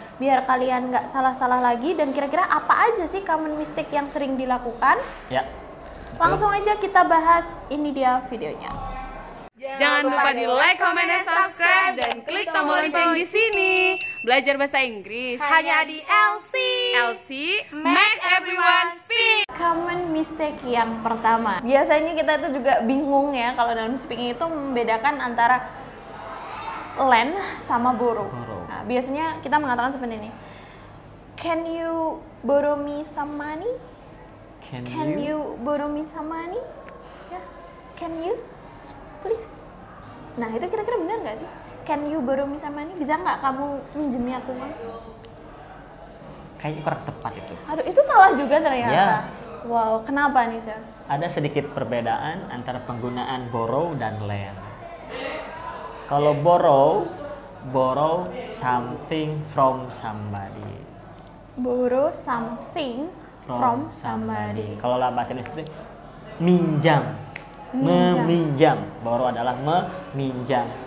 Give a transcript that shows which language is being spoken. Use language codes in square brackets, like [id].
[id] Biar kalian nggak salah-salah lagi, dan kira-kira apa aja sih common mistake yang sering dilakukan? Ya. Langsung aja kita bahas, ini dia videonya. Jangan lupa di like, comment, dan subscribe, dan klik tombol lonceng di sini. Belajar bahasa Inggris hanya di Elsie. [en] Elsie makes everyone speak. [id] Common mistake yang pertama. Biasanya kita itu juga bingung ya kalau dalam speaking itu membedakan antara land sama borrow. Nah, biasanya kita mengatakan seperti ini. [en] Can you borrow me some money? Can you borrow me some money? Yeah. Can you? Please. [id] Nah, itu kira-kira benar enggak sih? [en] Can you borrow me some money? [id] Bisa enggak kamu minjemi aku uang? Kayaknya kurang tepat itu. Aduh, itu salah juga ternyata. [en] Yeah. [id] Wow, kenapa nih, Sir? Ada sedikit perbedaan antara penggunaan borrow dan lend. Kalau [en] borrow something from somebody. Borrow something from somebody. [id] Kalau dalam bahasa Inggris itu minjam. Meminjam. Borrow adalah meminjam.